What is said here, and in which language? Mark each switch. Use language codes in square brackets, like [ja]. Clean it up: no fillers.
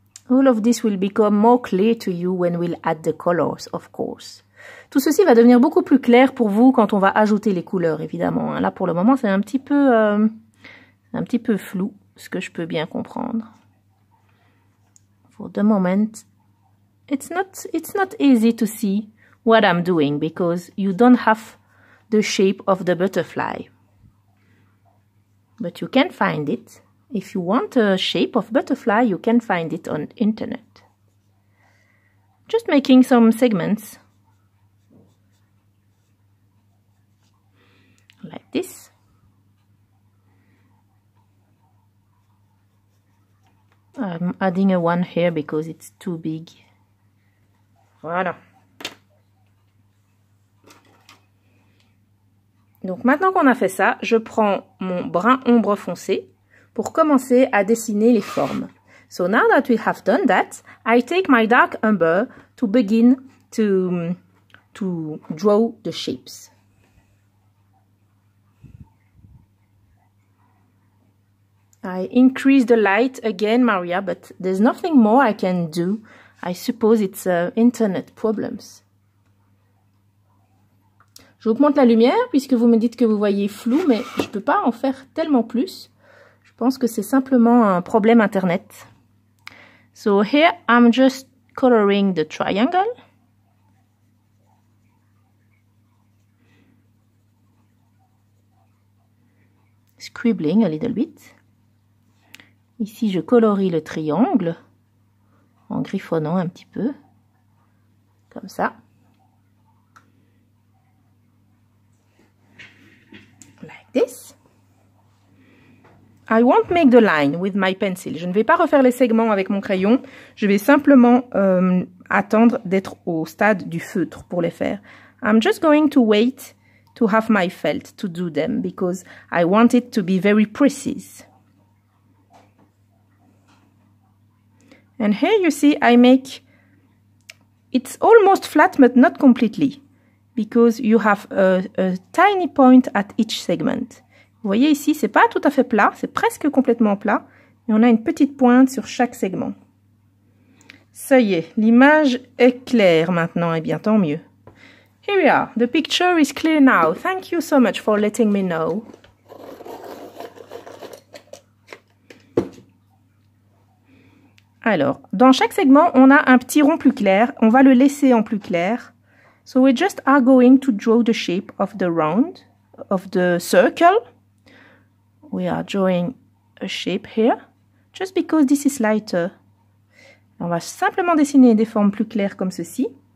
[en] All of this will become more clear to you when we'll add the colors, of course. [fr] Tout ceci va devenir beaucoup plus clair pour vous quand on va ajouter les couleurs, évidemment. Là, pour le moment, c'est un petit peu flou, ce que je peux bien comprendre. [en] For the moment, it's not easy to see what I'm doing because you don't have the shape of the butterfly. But you can find it. If you want a shape of butterfly, you can find it on internet. Just making some segments. Like this. I'm adding a one here because it's too big. [fr] Voilà. Donc maintenant qu'on a fait ça, je prends mon brun ombre foncé. pour commencer à dessiner les formes. [en] So now that we have done that, I take my dark umber to begin to draw the shapes. I increase the light again, Maria, but there's nothing more I can do. I suppose it's internet problems. [fr] J'augmente la lumière puisque vous me dites que vous voyez flou, mais je peux pas en faire tellement plus. Je pense que c'est simplement un problème internet. [en] So here I'm just coloring the triangle. Scribbling a little bit. [fr] Ici, je colorie le triangle en griffonnant un petit peu, comme ça. [en] Like this. I won't make the line with my pencil. [fr] Je ne vais pas refaire les segments avec mon crayon. Je vais simplement attendre d'être au stade du feutre pour les faire. [en] I'm just going to wait to have my felt to do them because I want it to be very precise. And here you see I make, it's almost flat but not completely, because you have a tiny point at each segment. [fr] Vous voyez ici, c'est pas tout à fait plat, c'est presque complètement plat, mais on a une petite pointe sur chaque segment. Ça y est, l'image est claire maintenant, et bien tant mieux. [en] Here we are, the picture is clear now. Thank you so much for letting me know. [fr] Alors, dans chaque segment, on a un petit rond plus clair. On va le laisser en plus clair. [en] So we just are going to draw the shape of the round, of the circle. We are drawing a shape here, just because this is lighter. [fr] On va simplement dessiner des formes plus claires comme ceci.